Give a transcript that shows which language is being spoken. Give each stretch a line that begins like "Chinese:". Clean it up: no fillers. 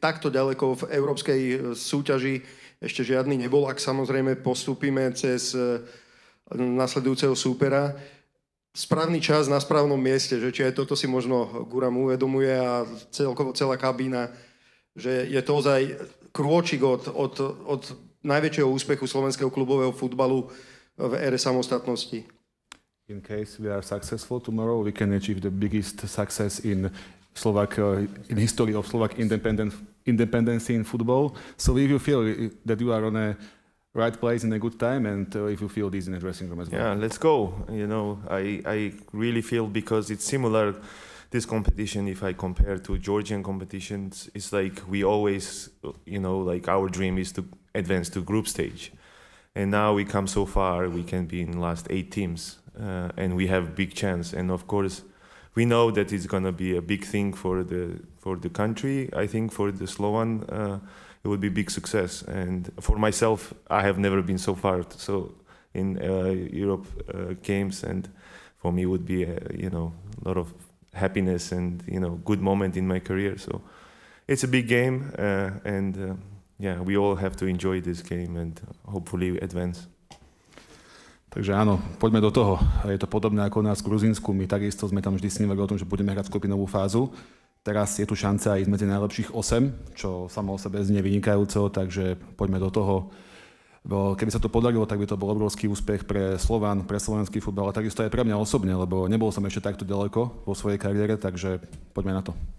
Slovak: Takto ďaleko v európskej súťaži ešte žiadny nebol, ak samozrejme postupíme cez nasledujúceho súpera. Správny čas na správnom mieste, že či aj toto si možno Guram uvedomuje a celkovo celá kabína, že je to ozaj krôčik od najväčšieho úspechu slovenského klubového futbalu v ére samostatnosti.
English: In case we are successful tomorrow, we can achieve the biggest success in Slovak in history of Slovak independence in football. So if you feel that you are on a right place in a good time, and if you feel this in a dressing room as well. Yeah, let's go. You know, I really feel, because it's similar, this competition, if I compare to Georgian competitions, it's like we always, you know, like our dream is to advance to group stage. And now we come so far, we can be in last 8 teams, and we have big chance. And of course, we know that it's going to be a big thing for the country, I think, for the Slovan. It would be big success, and for myself, I have never been so far, so in Europe games, and for me would be a, you know, a lot of happiness and, you know, good moment in my career. So it's a big game, and yeah, we all have to enjoy this game and hopefully advance.
Slovak: Takže áno, poďme do toho. Je to podobné ako nás v Gruzínsku. My takisto sme tam vždy snívali o tom, že budeme hrať skupinovú fázu. Teraz je tu šanca ísť medzi najlepších 8, čo samo o sebe znie vynikajúco, takže poďme do toho. Bo keby sa to podarilo, tak by to bol obrovský úspech pre Slovan, pre slovenský futbal, a takisto aj pre mňa osobne, lebo nebol som ešte takto ďaleko vo svojej kariére, takže poďme na to.